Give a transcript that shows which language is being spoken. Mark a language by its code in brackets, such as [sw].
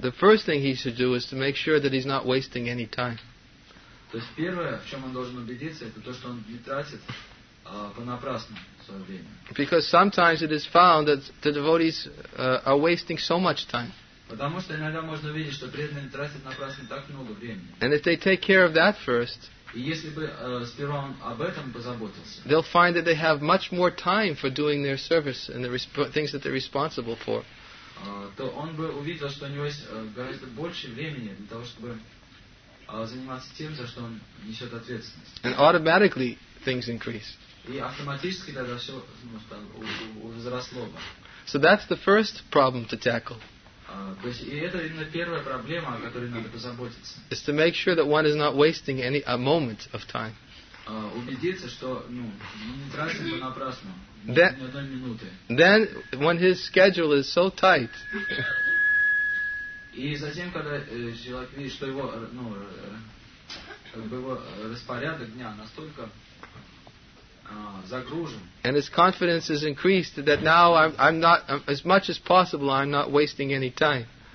[en] The first thing he should do is to make sure that he's not wasting any time. [ru] То есть первое, в чем он должен убедиться, это то, что он не тратит понапрасну. [en] Because sometimes it is found that the devotees are wasting so much time. [ru] Потому что иногда можно видеть, что преданные тратят напрасно так много времени. [en] And if they take care of that first, [ru] если бы сперва он об этом позаботился, [en] they'll find that they have much more time for doing their service and the things that they're responsible for. [ru] то он бы увидел, что у него есть гораздо больше времени для того, чтобы заниматься тем, за что он несет ответственность. [en] And automatically things increase. [ru] И автоматически тогда все, ну, там, возросло бы. [en] So that's the first problem to tackle. [ru] То есть, и это именно первая проблема, о которой надо позаботиться. [en] Is to make sure that one is not wasting any a moment of time. [ru] Убедиться, что, ну, не тратим бы напрасно. [en] Then, when his schedule is so tight, and his confidence is increased that now I'm not as much as possible, I'm not wasting any time.